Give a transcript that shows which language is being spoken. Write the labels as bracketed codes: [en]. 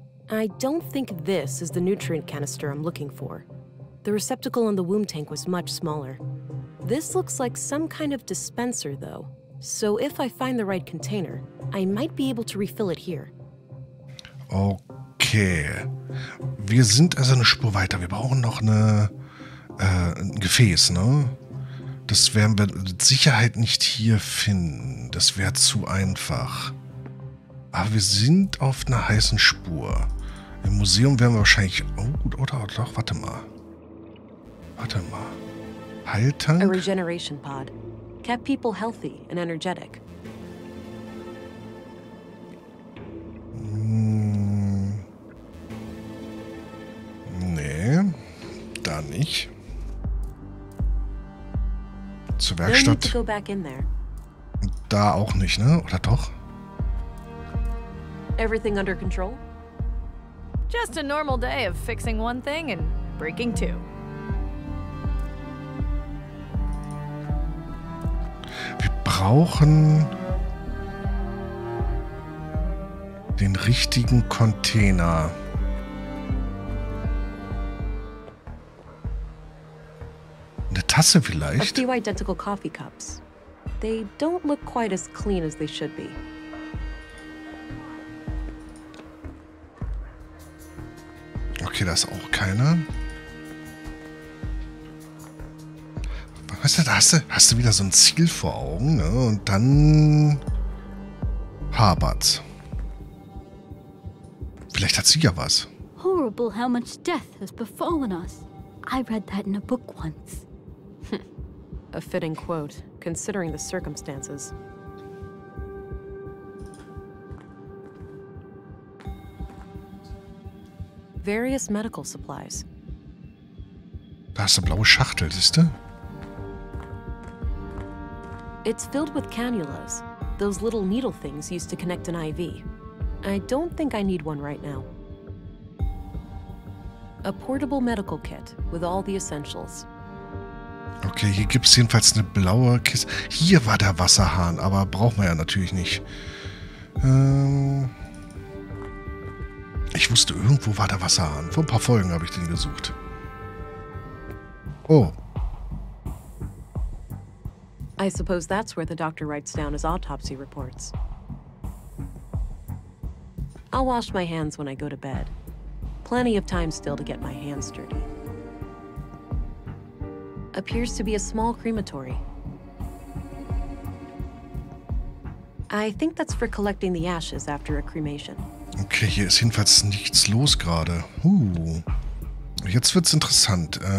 [en] I don't think this is the nutrient canister I'm looking for. The receptacle in the womb tank was much smaller. This looks like some kind of dispenser though. So if I find the right container, I might be able to refill it here. Okay. Okay. [de] Wir sind also eine Spur weiter. Wir brauchen noch eine, ein Gefäß, ne? Das werden wir mit Sicherheit nicht hier finden. Das wäre zu einfach. Aber wir sind auf einer heißen Spur. Im Museum werden wir wahrscheinlich... Oh, gut, oder, warte mal. Warte mal. Heiltank? [en] A regeneration pod. Kept people healthy and energetic. [de] Nee, da nicht. Zur Werkstatt. [en] Need to go back in there. [de] Da auch nicht, ne? Oder doch? [en] Everything under control? Just a normal day of fixing one thing and breaking two. [de] Wir brauchen den richtigen Container. Eine Tasse vielleicht? [en] A few identical coffee cups. They don't look quite as clean as they should be. [de] Okay, da ist auch keiner. Weißt du, hast du wieder so ein Ziel vor Augen, ne? Und dann hapert's. Vielleicht hat sie ja was. [en] Horrible how much death has befallen us. I read that in a book once. A fitting quote, considering the circumstances. Various medical supplies. [de] Da ist eine blaue Schachtel, siehst du? [en] It's filled with cannulas, those little needle things used to connect an IV. I don't think I need one right now. A portable medical kit with all the essentials. [de] Okay, hier gibt es jedenfalls eine blaue Kiste. Hier war der Wasserhahn, aber brauchen wir ja natürlich nicht. Ich wusste, irgendwo war der Wasserhahn. Vor ein paar Folgen habe ich den gesucht. Oh. [en] I suppose that's where the doctor writes down his autopsy reports. I'll wash my hands when I go to bed. Plenty of time still to get my hands dirty. Appears to be a small crematory. I think that's for collecting the ashes after a cremation. [de] Okay, hier ist jedenfalls nichts los gerade. Jetzt wird's interessant.